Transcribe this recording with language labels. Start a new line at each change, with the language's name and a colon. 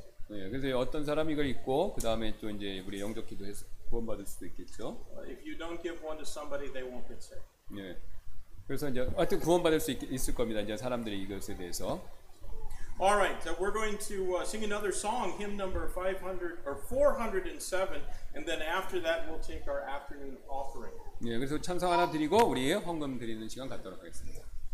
Korean: 예, 그래서 어떤 사람이 이걸 읽고 그 다음에 또 이제 우리 영적 기도해서 구원 받을 수도 있겠죠.
English: If you don't give one to somebody, they won't get saved.
Korean: 예, 그래서 이제 어쨌든 구원 받을 수 있을 겁니다. 이제 사람들이 이것에 대해서.
English: All right, so we're going to sing another song, hymn number 500 or 407, and then after that we'll take our afternoon offering.
Korean: 네, 그래서 찬송 하나 드리고 우리 헌금 드리는 시간 갖도록 하겠습니다.